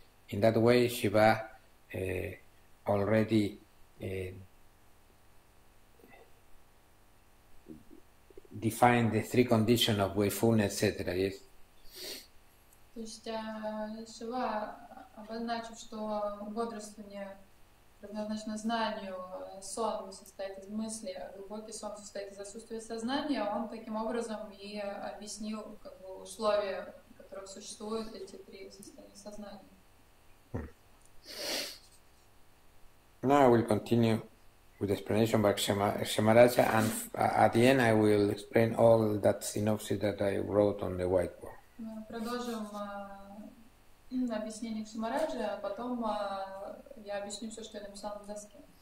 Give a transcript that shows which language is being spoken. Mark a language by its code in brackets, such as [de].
[en] In that way, Shiva already define the three conditions of wakefulness, etc. Yes. [ru] То есть Шива обозначил, что бодрствование предназначено знанию, сон состоит из мысли, а глубокий сон состоит из отсутствия сознания. Он таким образом и объяснил как бы условия, в которых существуют эти три состояния сознания. [en] Now I will continue with the explanation by Kṣemarāja, and at the end I will explain all that synopsis that I wrote on the whiteboard. [ru] Продолжим объяснение Кṣemarāja, а потом я объясню все, что я написал на доске.